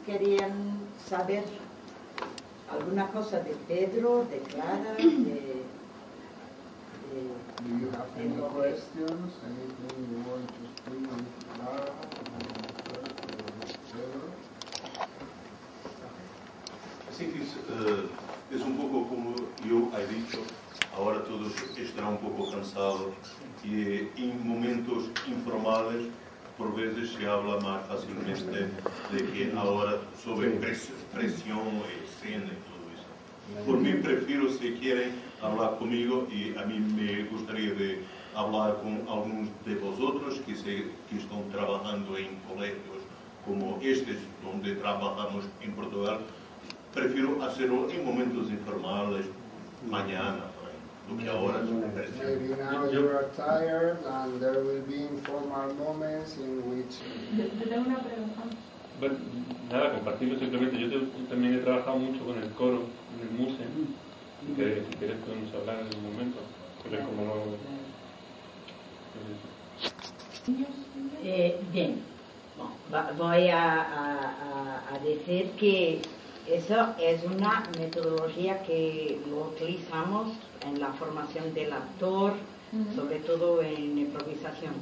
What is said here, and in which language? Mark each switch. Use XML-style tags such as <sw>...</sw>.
<es>¿Querían saber alguna cosa de Pedro, de Clara,</es> <en>Do you have any questions? Anything you want to speak with Clara, Pedro? I think it's</en> <es>es un poco como yo he dicho, ahora todos estarán un poco cansados y en momentos informales por veces se habla más fácilmente de que ahora sobre presión y escena y todo eso. Por mí prefiero, si quieren, hablar conmigo, y a mí me gustaría de hablar con algunos de vosotros que están trabajando en colegios como estos donde trabajamos en Portugal. Prefiero hacerlo en momentos informales, mañana.</es> <en>Maybe now you are tired and there will be informal moments in which...</en> <es>Bueno, nada, compartirlo simplemente. Yo también he trabajado mucho con el coro, en el MUSE, que si quieres podemos hablar en un momento. Pero es como lo... Bien, voy a decir que eso es una metodología que lo utilizamos en la formación del actor, sobre todo en improvisación.</es>